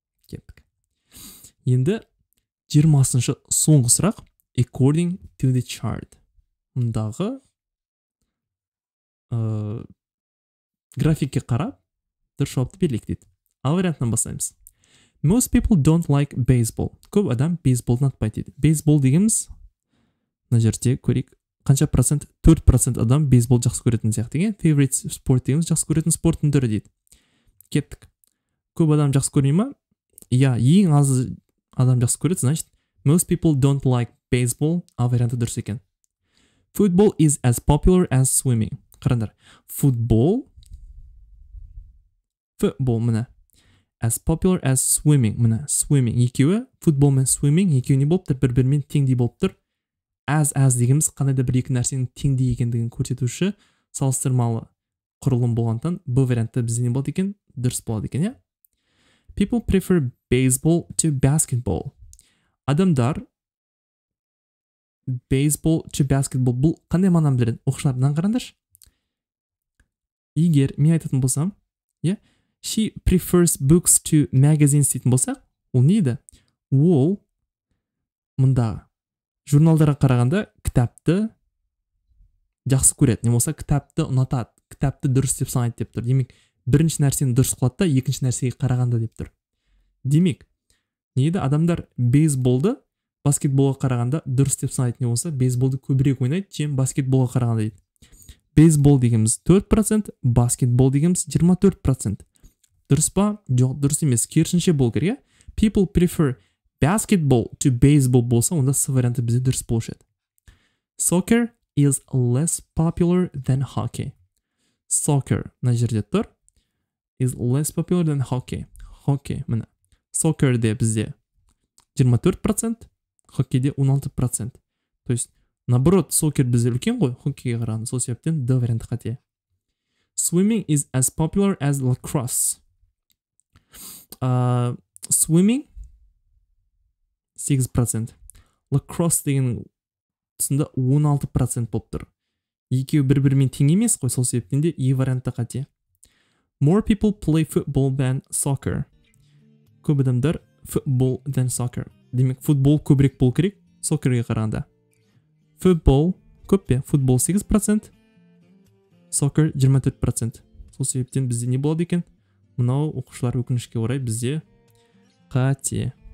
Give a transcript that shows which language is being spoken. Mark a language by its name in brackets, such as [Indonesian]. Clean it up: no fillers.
[Kazakh] Кеттік. Енді 20-шы соңғы сұрақ. [English] According to the chart. [Kazakh] Мұндағы графикке қарап дұрыс жауапты берлік дейді. Ал вариантынан бастаймыз. [English] Most people don't like baseball. [Kazakh] Көп адам бейсболды ұнатпайды дейді. Бейсбол дегеніміз, мына жерде көрейік, қанша процент? 4% адам бейсбол жақсы көретін сияқты деген. Favorite sport дегеніміз жақсы көретін спорттың түрі дейді. Кеттік. Көп адам жақсы көрмей ма? Иә, ең аз адам жақсы көреді, [Russian] значит, [English] most people don't like baseball, [Kazakh] а варианты дұрыс екен. [English] Football is as popular as swimming. [Kazakh] Қарандар, футбол, мұна, [English] as popular as swimming, [Kazakh] мұна, swimming, екеуі, футбол мен swimming, екеуі не болып тұр, бір-бірмен теңдей болып тұр. As дегеніміз қандай да бір екі нәрсенің теңдей екендігін көрсетуші салыстырмалы құрылым болғандықтан, бұл вариантта бізде не болады екен, дұрыс болады екен, е? [English] People prefer baseball to basketball. [Kazakh] Адамдар, [English] baseball to basketball, [Kazakh] бұл қандай мағынаны білдіреді? Оқушылардан қараңдар. Егер мен айтатын болсам, [English] she prefers books to magazines [Kazakh] дейтін болсақ, ол не еді? Ол мұнда журналдарға қарағанда кітапты жақсы көреді, не болса кітапты ұнатады, кітапты дұрыс деп санайды деп тұр. Демек, бірінші нәрсені дұрыс қылады да, екінші нәрсеге қарағанда деп тұр. Демек, не еді? Адамдар бейсболды баскетболға қарағанда дұрыс деп санайды, не болса бейсболды көбірек ойнайды, [Russian] чем [Kazakh] баскетболға қарағанда дейді. Бейсбол дегеніміз 4%, баскетбол дегеніміз 24%. Дұрыс па? Жоқ, дұрыс емес. Керісінше болу керек. [English] People prefer basketball to baseball [Kazakh] болса, онда сы варианты бізде дұрыс болушы еді. [English] Soccer is less popular than hockey. [Kazakh] Soccer, мына жерде тұр. [English] Is less popular than hockey. [Kazakh] Hockey, мына. Soccer де бізде 24%, hockey де 16%. [Russian] То есть, наоборот, [Kazakh] soccer бізде үлкен қой, хоккейге қараған, сол себептен D варианты қате. [English] Swimming is as popular as lacrosse. Swimming 8%. [Kazakh] Lacrosse деген түсінде 16% болып тұр. Екеу бір-бірімен тең емес қой, сол себептен де E варианты қате. [English] More people play football than soccer. [Kazakh] Көп адамдар [English] football than soccer. [Kazakh] Демек, футбол көбірек болу керек, соккерге қарағанда. Футбол, көп пе? Футбол 8%, соккер 24%. Сол себептен бізде не болады екен? Мынау оқушылар өкінішке орай бізде қате.